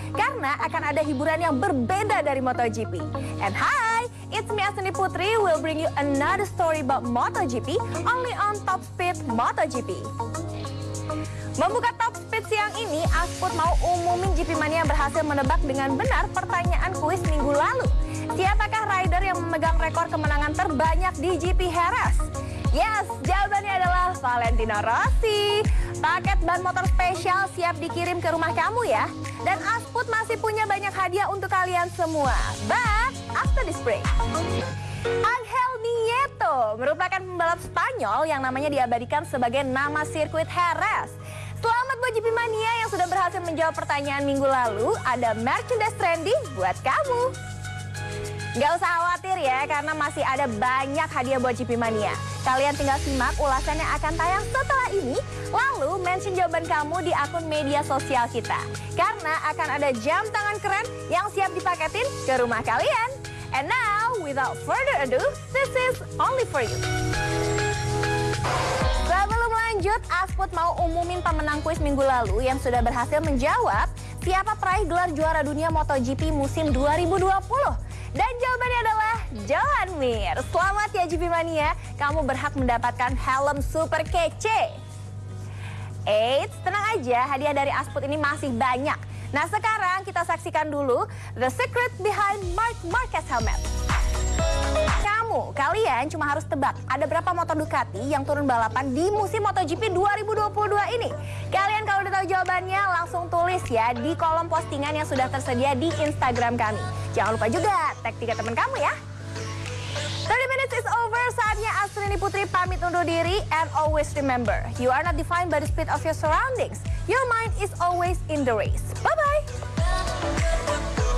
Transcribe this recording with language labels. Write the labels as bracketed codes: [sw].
[id] Karena akan ada hiburan yang berbeda dari MotoGP. [en] And hi, it's me Asni Putri, will bring you another story about MotoGP, only on Top Speed MotoGP. [id] Membuka Top Speed siang ini, Asput mau umumin GP Mania yang berhasil menebak dengan benar pertanyaan kuis minggu lalu. Siapakah rider yang memegang rekor kemenangan terbanyak di GP Jerez? Yes, jawabannya adalah Valentino Rossi. Paket ban motor spesial siap dikirim ke rumah kamu ya. Dan Asput masih punya banyak hadiah untuk kalian semua. [en] But after this break, [id] Angel Nieto merupakan pembalap Spanyol yang namanya diabadikan sebagai nama sirkuit Jerez. Selamat buat GP Mania yang sudah berhasil menjawab pertanyaan minggu lalu. Ada merchandise trendy buat kamu. Gak usah khawatir ya, karena masih ada banyak hadiah buat GP Mania. Kalian tinggal simak ulasan yang akan tayang setelah ini. Lalu mention jawaban kamu di akun media sosial kita. Karena akan ada jam tangan keren yang siap dipaketin ke rumah kalian. [en] And now, without further ado, this is only for you. [id] Sebelum lanjut, Asput mau umumin pemenang kuis minggu lalu yang sudah berhasil menjawab siapa peraih gelar juara dunia MotoGP musim 2020. Dan jawabannya adalah Johan Mir. Selamat ya GP Mania, kamu berhak mendapatkan helm super kece. Eits, tenang aja, hadiah dari Asput ini masih banyak. Nah sekarang kita saksikan dulu [en] the secret behind Marc Marquez helmet. [id] Kamu, kalian cuma harus tebak ada berapa motor Ducati yang turun balapan di musim MotoGP 2022 ini. Kalian kalau udah tahu jawabannya langsung tulis ya di kolom postingan yang sudah tersedia di Instagram kami. Jangan lupa juga tag 3 teman kamu ya. [en] 30 minutes is over, [id] saatnya Astrini Putri pamit undur diri. [en] And always remember, you are not defined by the speed of your surroundings. Your mind is always in the race. Bye-bye.